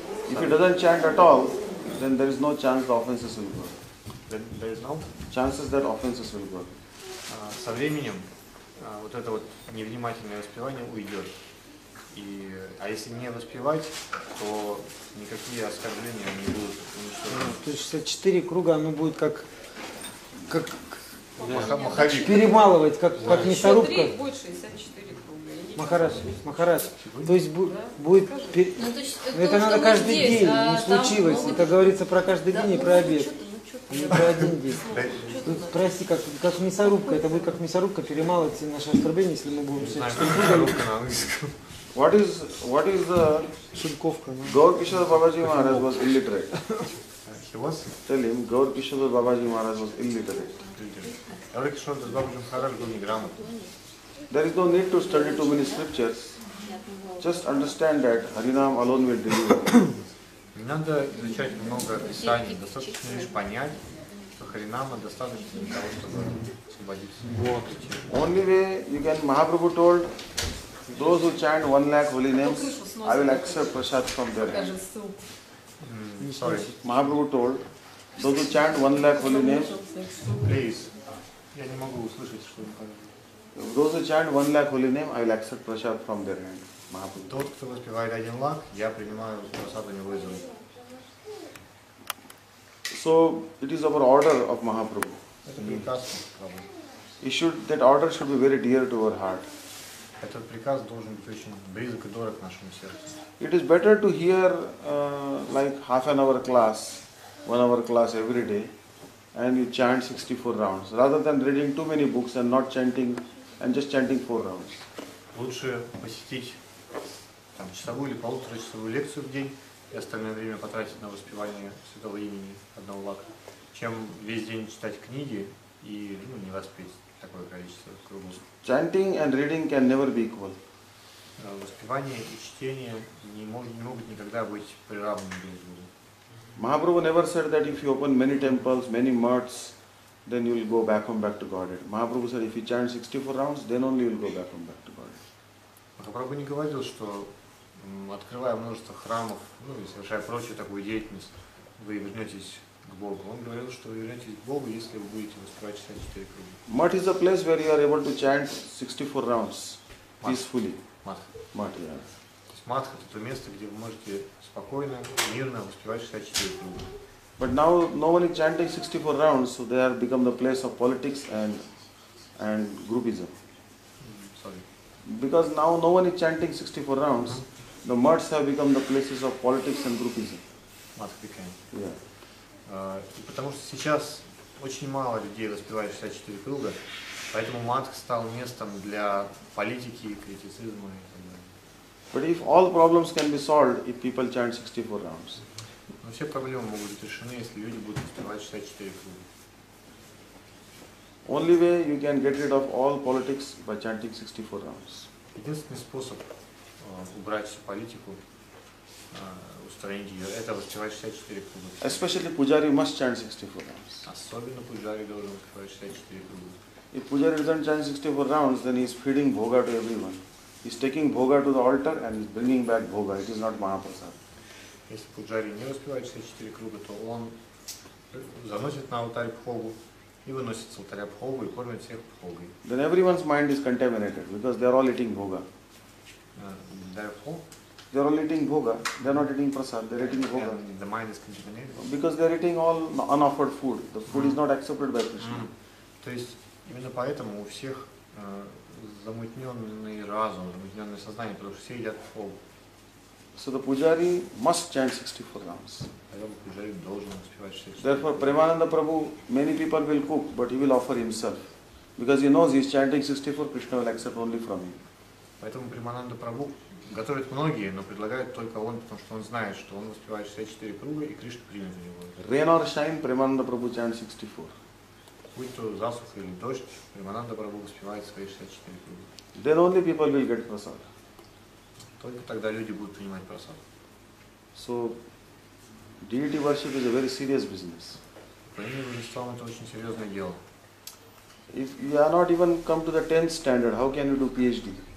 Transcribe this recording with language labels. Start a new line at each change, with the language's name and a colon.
English: If he doesn't chant at all, then there is no chance the offenses will go. Then there is no chances that offenses will go.
Russian: Со временем вот это вот невнимательное воспевание уйдет. И а если не воспевать, то никакие оскорбления не будут уничтожены. То есть 64 круга оно будет как Махавик. Перемалывать, как мясорубка. Еще 3 будет 64 круга. Махарадж. То есть будет... Это надо каждый день, не случилось. Это говорится про каждый день и про обед. Не про один день. Прости, как мясорубка. Это будет как мясорубка перемалывать все наши оскорбления, если мы будем 64 круга.
English: What is the...
Russian: Шульковка.
English: Гаур Кишор Бабаджи Махарадж was illiterate. He was? Tell him, Гаур Кишор Бабаджи Махарадж was illiterate. There is no need to study too many scriptures. Just understand that Haranam alone will deliver.
Russian: Не надо изучать много писаний. Достаточно лишь понять, что Харинама достаточно для того, чтобы освободиться.
English: Only way you can. Mahaprabhu told those who chant 1 lakh holy names, I will accept prasad from their hands. Sorry. Mahaprabhu told those who chant 1 lakh holy names. Please.
Russian: Я не могу услышать, что он говорит.
English: Those who chant 1 lakh holy name, I will accept prasad from their hand.
Russian: Тот, кто воспевает 1 lakh, я принимаю прасад у него из рук.
English: So it is our order of Mahaprabhu.
Russian: Это приказ Mahaprabhu.
English: That order should be very dear to our heart.
Russian: Этот приказ должен быть очень близок и дорог нашему сердцу.
English: It is better to hear like half an hour class, 1 hour class every day. And you chant 64 rounds, rather than reading too many books and not chanting, and just chanting 4 rounds.
Russian: Лучше посетить там часовую или полуторачасовую лекцию в день и остальное время потратить на воспевание Святого Имени 1 лакха, чем весь день читать книги и не воспеть такое количество кругов.
English: Chanting and reading can never be equal.
Russian: Воспевание и чтение не могут никогда быть приравнены друг к другу.
English: Mahaprabhu never said that if you open many temples, many mutts, then you will go back to Godhead. Mahaprabhu said if you chant 64 rounds, then only you will go back to Godhead.
Russian: Mahaprabhu не говорил, что открывая множество храмов, и совершая прочую такую деятельность, вы вернетесь к Богу. Он говорил, что вы вернетесь к Богу, если вы будете воспевать 64 круга.
English: Mutt is a place where you are able to chant 64 rounds peacefully. Mutt, yeah.
Russian: Матха – это то место, где вы можете спокойно, мирно воспевать 64 круга.
English: But now no one is chanting 64 rounds, so they have become the place of politics and groupism. Sorry. Because now no one is chanting 64 rounds, the mutts have become the places of politics and groupism. Матха became. Yeah.
Russian: И потому что сейчас очень мало людей воспевает 64 круга, поэтому матха стал местом для политики, критицизма и так далее.
English: But if all problems can be solved if people chant 64 rounds.
Russian: Но все проблемы могут быть решены, если люди будут воспевать 64 круга.
English: Only way you can get rid of all politics by chanting 64 rounds.
Russian: Единственный способ убрать политику, устранить ее, это воспевать 64 круга.
English: Especially pujari must chant 64 rounds.
Russian: Особенно пуджари должен воспевать 64 круга.
English: If pujari doesn't chant 64 rounds, then he is feeding bhoga to everyone. He's taking bhoga to the altar and he's bringing back bhoga. It is not mahaprasad.
Russian: Если пуджари не воспевает 64 круга, то он заносит на алтарь бхогу и выносит с алтаря бхогу и кормит всех бхогой.
English: Then everyone's mind is contaminated because they are all eating bhoga. Therefore? They are all eating bhoga. They are not eating prasad. They are eating bhoga. The mind is contaminated. Because they are eating all unoffered food. The food is not accepted by Krishna.
Russian: То есть именно поэтому у всех замутненный разум, замутненное сознание, потому что все едят пхогу.
English: So the pujari must chant 64 rounds.
Russian: Поэтому пуджари должен воспевать 64
English: rounds. Therefore, Premananda Prabhu, many people will cook, but he will offer himself. Because he knows he is chanting 64, Krishna will accept only from him.
Russian: Поэтому Премананда Прабху готовит многие, но предлагает только он, потому что он знает, что он воспевает 64 круга, и Кришна принял за него.
English: Rain or shine, Premananda Prabhu chants 64.
Russian: Будь то засуха или дождь, Премананда Прабху воспевает свои 64 круга.
English: Then only people will get prasad.
Russian: Только тогда люди будут принимать прасад.
English: So, deity worship is a very serious business.
Russian: Поклонение божествам – это очень серьезное дело.
English: If you are not even come to the 10th standard, how can you do PhD?